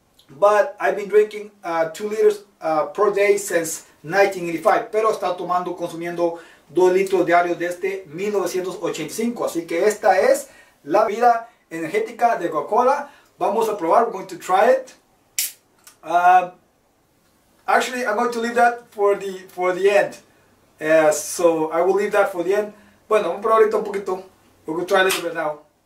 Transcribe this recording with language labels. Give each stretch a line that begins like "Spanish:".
English: But I've been drinking 2 liters per day since 1985.
Spanish: Pero estaba tomando, consumiendo 2 litros diarios desde 1985. Así que esta es la vida energética de Coca-Cola. Vamos a probar.
English: We're going to try it. Actually, I'm going to leave that for the end. So I will leave that for the end.
Spanish: Bueno, vamos a probar un poquito.
English: We're going to try a little bit now.